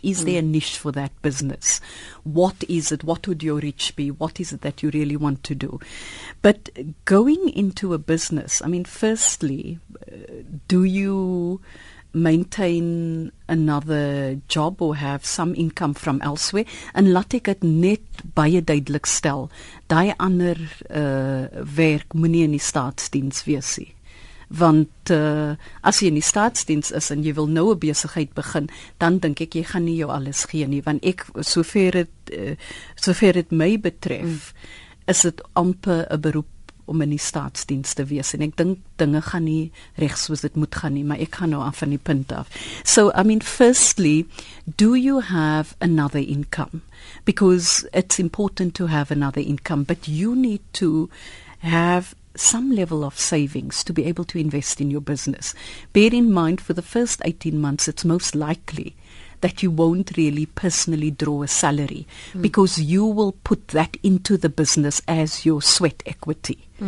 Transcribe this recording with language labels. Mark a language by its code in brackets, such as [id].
[en] Is there a niche for that business? What is it? What would your reach be? What is it that you really want to do? But going into a business, I mean, firstly, do you maintain another job or have some income from elsewhere? [af] En laat ek het net baie duidelik stel, die ander werk moet nie in die staatsdiens wees nie. Want as jy in die staatsdiens is en jy wil nou 'n besigheid begin, dan dink ek jy gaan nie jou alles gee nie, want ek, sover het my betref, is dit amper 'n beroep om in die staatsdiens te wees, en ek dink dinge gaan nie reg soos dit moet gaan nie, maar ek gaan nou af van die punt af. [en] So, I mean, firstly, do you have another income? Because it's important to have another income, but you need to have some level of savings to be able to invest in your business. Bear in mind, for the first 18 months, it's most likely that you won't really personally draw a salary because you will put that into the business as your sweat equity.